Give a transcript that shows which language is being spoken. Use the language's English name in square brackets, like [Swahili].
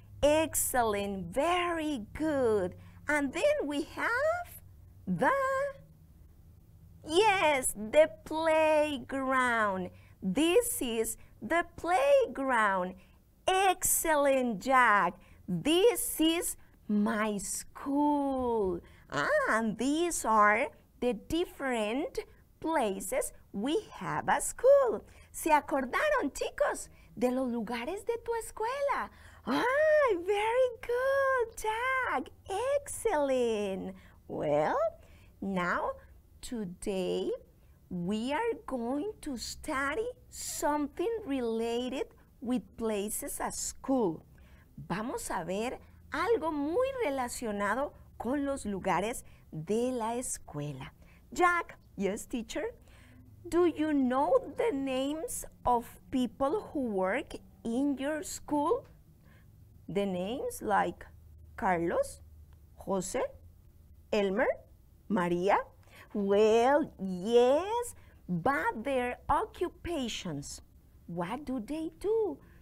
[English] Excellent, very good. And then we have the, yes, the playground. This is the playground. Excellent, Jack. This is my school. And these are the different places We have a school. [Spanish] ¿Se acordaron, chicos, de los lugares de tu escuela? [English] Ay, very good, Jack. Excellent. Well, now, today, we are going to study something related with places at school. [Spanish] Vamos a ver algo muy relacionado con los lugares de la escuela. [English] Jack, yes, teacher, do you know the names of people who work in your school? The names like Carlos, José, Elmer, María. Well, yes, but their occupations, what do they do?